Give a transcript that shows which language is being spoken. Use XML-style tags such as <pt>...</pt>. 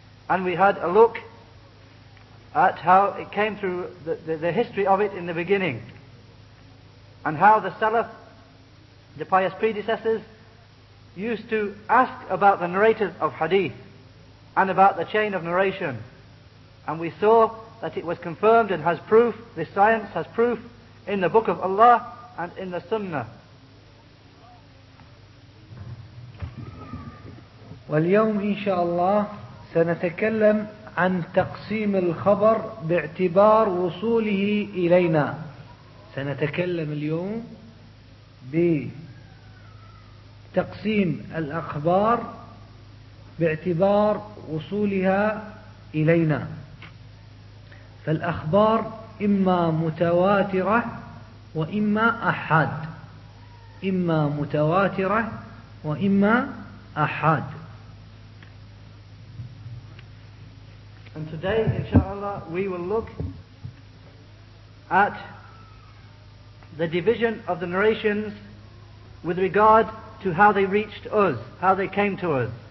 <en>And we had a look at how it came through the history of it in the beginning, and how the Salaf, the pious predecessors, used to ask about the narrators of hadith and about the chain of narration. And we saw that it was confirmed and has proof, this science has proof, in the Book of Allah and in the Sunnah.</en> <ar>واليوم إن شاء الله سنتكلم عن تقسيم الخبر باعتبار وصوله إلينا. سنتكلم اليوم بتقسيم الأخبار باعتبار وصولها إلينا. فالأخبار إما متواترة وإما أحاد، إما متواترة وإما أحاد.</ar> <en>And today, inshallah, we will look at the division of the narrations with regard to how they reached us, how they came to us.</en>